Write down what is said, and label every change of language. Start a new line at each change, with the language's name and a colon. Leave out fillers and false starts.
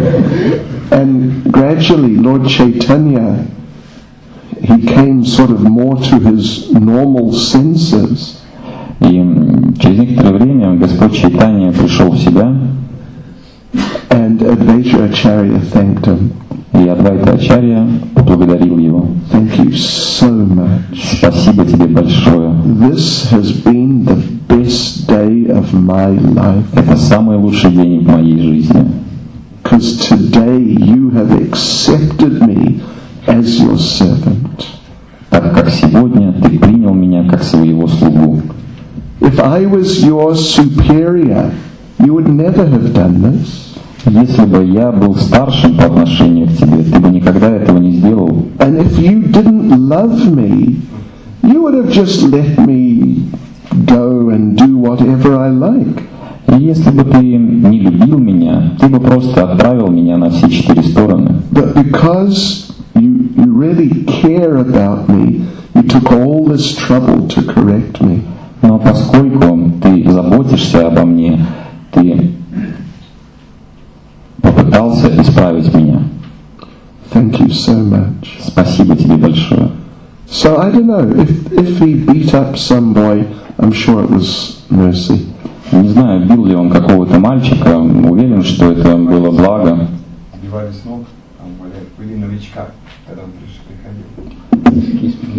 English: And gradually Lord Chaitanya, he came sort of more to his normal senses.
Russian: И через некоторое время Господь Чайтанья пришел в себя.
English: And Advaita Acharya thanked him.
Russian: И Адвайта Ачарья поблагодарил его.
English: Thank you so much.
Russian: Спасибо тебе большое.
English: This has been the best day of my life.
Russian: Это самый лучший день в моей жизни.
English: Because today you have accepted me as your servant.
Russian: Так как сегодня ты принял меня как своего слугу.
English: If I was your superior, you would never have done this.
Russian: Если бы я был старшим по отношению к тебе, ты бы никогда этого не сделал.
English: And if you didn't love me, you would have just let me go and do whatever I like.
Russian: И если бы ты не любил меня, ты бы просто отправил меня на все четыре стороны.
English: But because you really care about me, you took all this trouble to correct me.
Russian: Но поскольку ты заботишься обо мне, ты попытался исправить меня.
English: Thank you so much.
Russian: Спасибо тебе большое.
English: So I don't know if he beat up some boy. I'm sure it was mercy.
Russian: Не знаю, бил ли он какого-то мальчика. Уверен, что это было благо. Сбивали с ног, там были новичка, когда он приходил.